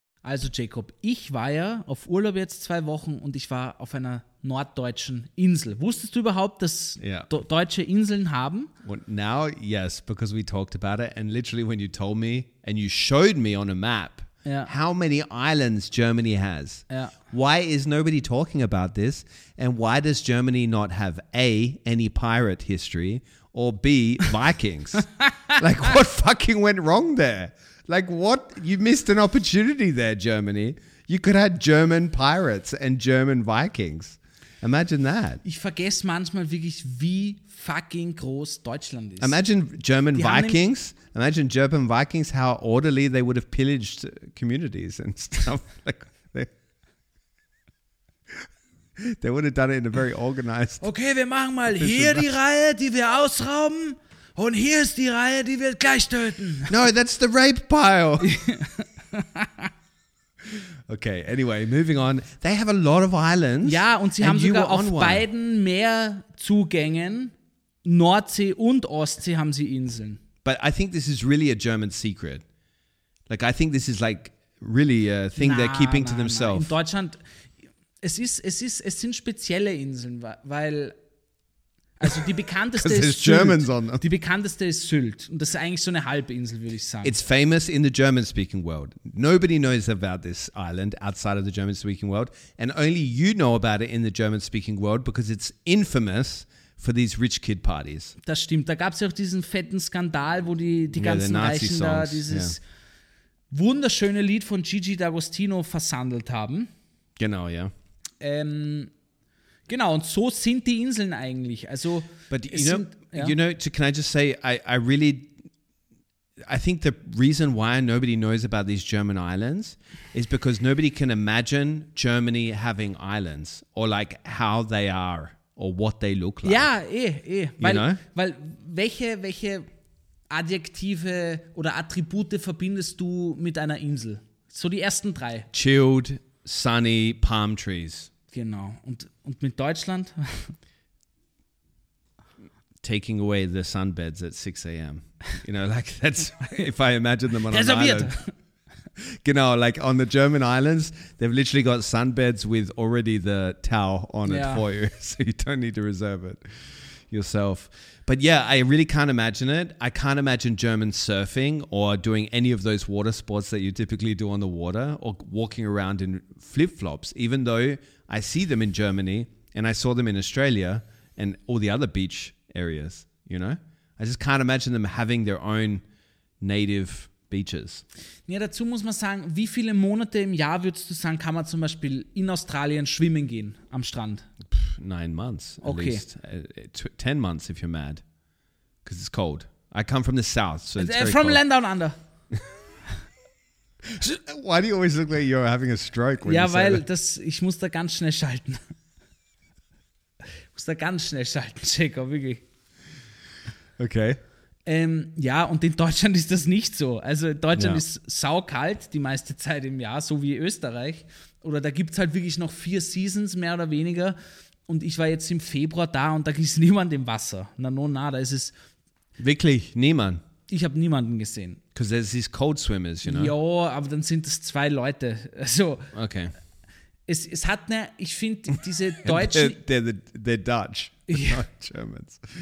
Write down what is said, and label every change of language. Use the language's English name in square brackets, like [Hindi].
[German] Also Jacob, ich war ja auf Urlaub jetzt 2 Wochen und ich war auf einer norddeutschen Insel. Wusstest du überhaupt, dass deutsche Inseln haben? [English] Well, now, yes, because we talked about it. And literally when you told me and you showed me on a map how many islands Germany has. Why is nobody talking about this? And why does Germany not have A, any pirate history, or B, Vikings? Like, what fucking went wrong there? Like, what? You missed an opportunity there, Germany. You could have German pirates and German Vikings. Imagine that. [German] Ich vergesse manchmal wirklich, wie [English] fucking [German] groß Deutschland ist. [English] Imagine German Vikings. Imagine German Vikings, how orderly they would have pillaged communities and stuff. Like they would have done it in a very organized... [German] Okay, wir machen mal hier die Reihe, die wir ausrauben. Und hier ist die Reihe, die wir gleich töten. [English] No, that's the rape pile. Okay, anyway, moving on. They have a lot of islands. [German] Ja, und sie haben sogar auf beiden Meerzugängen, Nordsee und Ostsee, haben sie Inseln. [English] But I think this is really a German secret. Like, I think this is like really a thing they're keeping to themselves. [German] In Deutschland, es sind spezielle Inseln, weil... Also die bekannteste ist [English] Germans [German] Sylt. [English] On them. [German] Die bekannteste ist Sylt und das ist eigentlich so eine Halbinsel, würde ich sagen. [English] It's famous in the German speaking world. Nobody knows about this island outside of the German speaking world and only you know about it in the German speaking world because it's infamous for these rich kid parties. [German] Das stimmt, da gab es ja auch diesen fetten Skandal, wo die ganzen Reichen da dieses wunderschöne Lied von Gigi D'Agostino versandelt haben. Genau, ja. Genau, und so sind die Inseln eigentlich. Also, [English] but you know, can I just say, I think the reason why nobody knows about these German islands is because nobody can imagine Germany having islands or like how they are or what they look like. [German] Ja, weil welche Adjektive oder Attribute verbindest du mit einer Insel? So die ersten drei. [English] Chilled, sunny, palm trees. [German] Genau. Und mit Deutschland? [English] Taking away the sunbeds at 6 a.m. You know, like that's, if I imagine them on an island. [German] Genau, [English] like on the German islands, they've literally got sunbeds with already the towel on it for you. So you don't need to reserve it yourself. But yeah, I really can't imagine it. I can't imagine German surfing or doing any of those water sports that you typically do on the water or walking around in flip-flops, even though... I see them in Germany and I saw them in Australia and all the other beach areas, you know? I just can't imagine them having their own native beaches. [German] Ja, dazu muss man sagen, wie viele Monate im Jahr würdest du sagen, kann man zum Beispiel in Australien schwimmen gehen am Strand? [English] 9 months at least. 10 months if you're mad. Because it's cold. I come from the south, so it's very from cold. Land down under. Why do you always look like you're having a stroke? When [German] ja, [English] you say [German] weil [English] that? [German] Das ich muss da ganz schnell schalten. Ich muss da ganz schnell schalten, Jacob, wirklich. Okay. Ja, und in Deutschland ist das nicht so. Also Deutschland ist saukalt die meiste Zeit im Jahr, so wie Österreich. Oder da gibt es halt wirklich noch 4 Seasons, mehr oder weniger. Und ich war jetzt im Februar da und da ist niemand im Wasser. Na, da ist es... Wirklich? Niemand? Ich habe niemanden gesehen. [English] Because there's these cold swimmers, you know? [German] Ja, aber dann sind es 2 Leute. Also, okay. Es hat eine, ich finde, diese deutschen... [English] they're Dutch, not Germans.